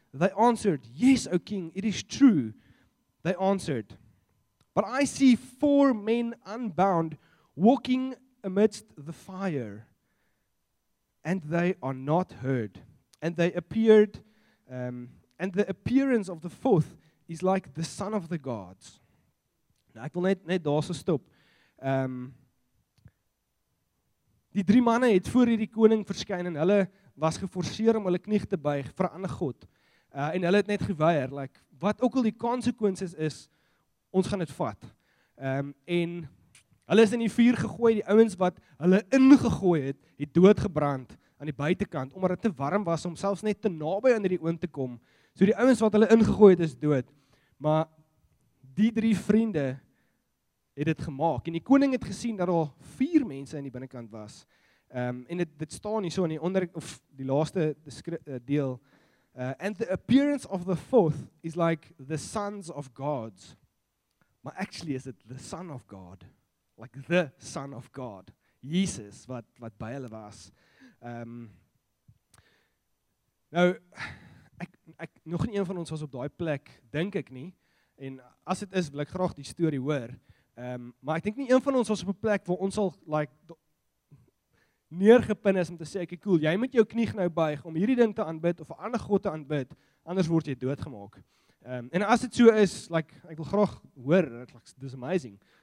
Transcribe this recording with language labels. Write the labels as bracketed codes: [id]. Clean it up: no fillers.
[en] They answered, "Yes, O king, it is true." They answered, "But I see four men unbound walking amidst the fire, and they are not hurt. And they appeared, and the appearance of the fourth is like the son of the gods." [af] Nou, ek wil net daar so stop. Die drie manne het voor hierdie koning verskyn en hulle was geforseer om hulle knie te buig vir 'n ander god. En hulle het net geweier, like, wat ook al die consequences is, ons gaan dit vat. En hulle is in die vuur gegooi, die ouens wat hulle ingegooi het, het doodgebrand aan die buitenkant, omdat het te warm was om selfs net te naby aan die oond te kom. So die ouens wat hulle ingegooi het is dood. Maar die drie vriende het dit gemaak. En die koning het gesien dat al vier mense aan die binnenkant was. En dit staan hier so in die onder, of die laaste deel. [en] And the appearance of the fourth is like the sons of gods. But actually is it the son of God. Like the son of God. Jesus, [af] wat by hulle was. Nou, ek nog nie een van ons was op daai plek, dink ek nie. En as dit is, wil ek graag die story hoor. Maar ek dink nie een van ons was op 'n plek waar ons al like neergepin is om te sê, ek cool, jy moet jou knie nou buig om hierdie ding te aanbid of 'n ander god te aanbid, anders word jy doodgemaak. En as dit so is, like, ek wil graag hoor, like, [en] this is amazing.